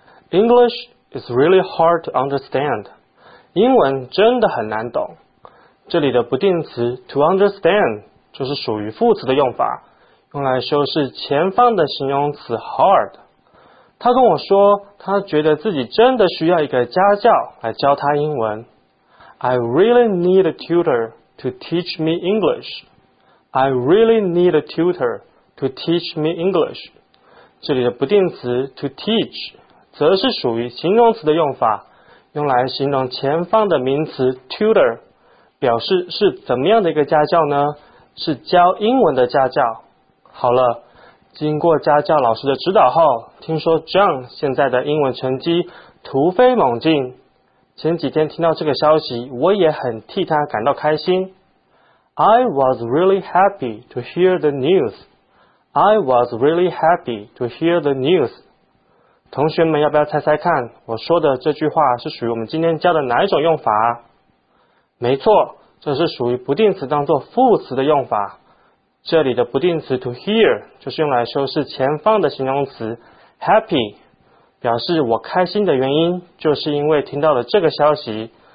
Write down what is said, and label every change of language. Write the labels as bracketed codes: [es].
[en] English is really hard to understand. [zh] 英文真的很难懂。这里的不定词 to understand 就是属于副词的用法，用来修饰前方的形容词 hard。他跟我说他觉得自己真的需要一个家教来教他英文。 [en] I really need a tutor to teach me English. I really need a tutor to teach me English. [zh] 这里的不定词 to teach 则是属于形容词的用法，用来形容前方的名词 tutor， 表示是怎么样的一个家教呢？是教英文的家教。好了，经过家教老师的指导后，听说 John 现在的英文成绩突飞猛进。前几天听到这个消息，我也很替他感到开心。 [en] I was really happy to hear the news. I was really happy to hear the news. [zh] 同学们要不要猜猜看，我说的这句话是属于我们今天教的哪一种用法？没错，这是属于不定词当作副词的用法。这里的不定词 to hear 就是用来修饰前方的形容词 happy， 表示我开心的原因就是因为听到了这个消息。